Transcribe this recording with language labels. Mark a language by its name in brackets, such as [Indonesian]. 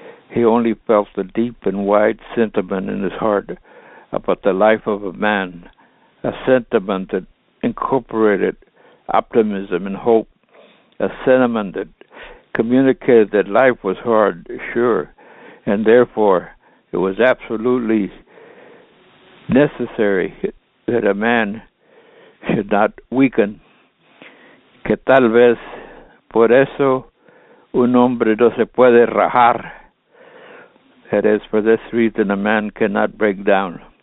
[English] He only felt the deep and wide sentiment in his heart about the life of a man, a sentiment that incorporated optimism and hope, a sentiment that communicated that life was hard, sure, and therefore it was absolutely necessary that a man should not weaken. [Spanish] Que tal vez por eso un hombre no se puede rajar. [English] That is, for this reason, a man cannot break down.